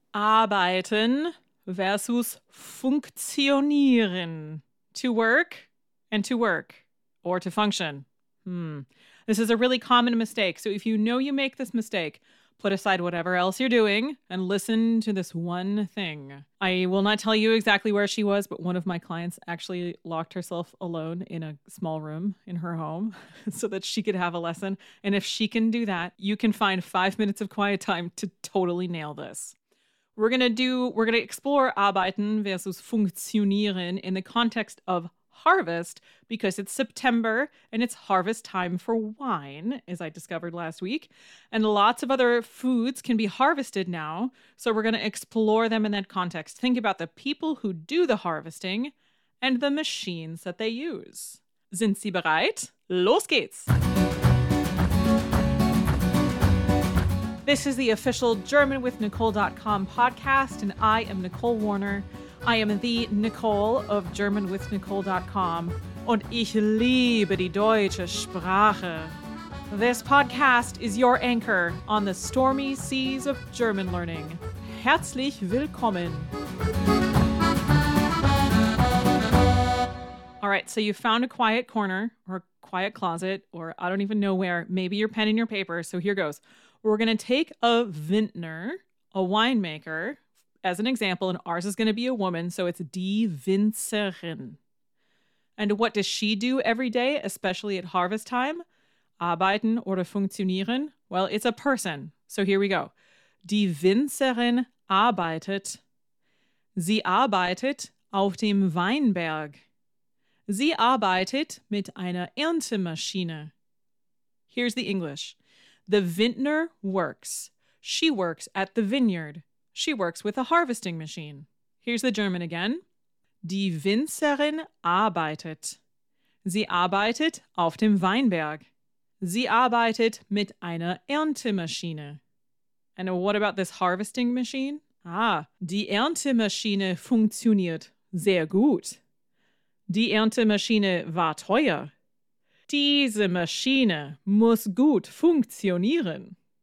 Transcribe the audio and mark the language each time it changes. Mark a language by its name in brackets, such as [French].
[German] Arbeiten versus funktionieren. [English] To work and to work or to function. This is a really common mistake. So if you know you make this mistake, put aside whatever else you're doing and listen to this one thing. I will not tell you exactly where she was, but one of my clients actually locked herself alone in a small room in her home so that she could have a lesson. And if she can do that, you can find 5 minutes of quiet time to totally nail this. We're gonna explore Arbeiten versus Funktionieren in the context of harvest because it's September and it's harvest time for wine, as I discovered last week. And lots of other foods can be harvested now. So we're gonna explore them in that context. Think about the people who do the harvesting and the machines that they use. [German] Sind Sie bereit? Los geht's! [English] This is the official GermanWithNicole.com podcast, and I am Nicole Warner. I am the Nicole of GermanWithNicole.com, [German] und ich liebe die deutsche Sprache. [English] This podcast is your anchor on the stormy seas of German learning. [German] Herzlich willkommen. [English] All right, so you found a quiet corner or a quiet closet, or I don't even know where, maybe your pen and your paper, so here goes. We're going to take a vintner, a winemaker, as an example, and ours is going to be a woman, so it's die Winzerin. And what does she do every day, especially at harvest time? [German] Arbeiten oder funktionieren? [English] Well, it's a person, so here we go. [German] Die Winzerin arbeitet. Sie arbeitet auf dem Weinberg. Sie arbeitet mit einer Erntemaschine. [English] Here's the English. The vintner works. She works at the vineyard. She works with a harvesting machine. Here's the German again. [German] Die Winzerin arbeitet. Sie arbeitet auf dem Weinberg. Sie arbeitet mit einer Erntemaschine. [English] And what about this harvesting machine? [German] Ah, die Erntemaschine funktioniert sehr gut. Die Erntemaschine war teuer. Diese Maschine muss gut funktionieren.